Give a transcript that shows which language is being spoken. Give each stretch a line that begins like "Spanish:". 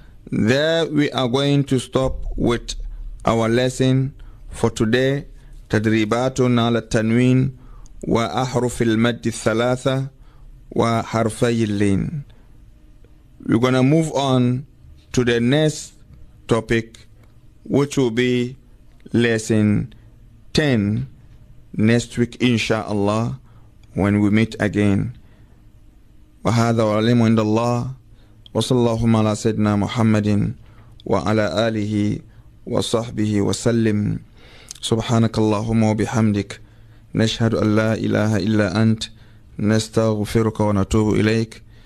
English: There we are going to stop with our lesson for today.
Arabic: تدريباتنا على التنوين وأحرف المد الثلاثة وحرفي اللين.
English: We're gonna move on to the next topic, which will be lesson 10 next week, inshallah, when we meet again.
Arabic: وهذا العلم عند الله وصلى الله على سيدنا محمد وعلى آله وصحبه وسلم. سبحانك اللهم وبحمدك نشهد أن لا إله إلا أنت نستغفرك ونتوب إليك.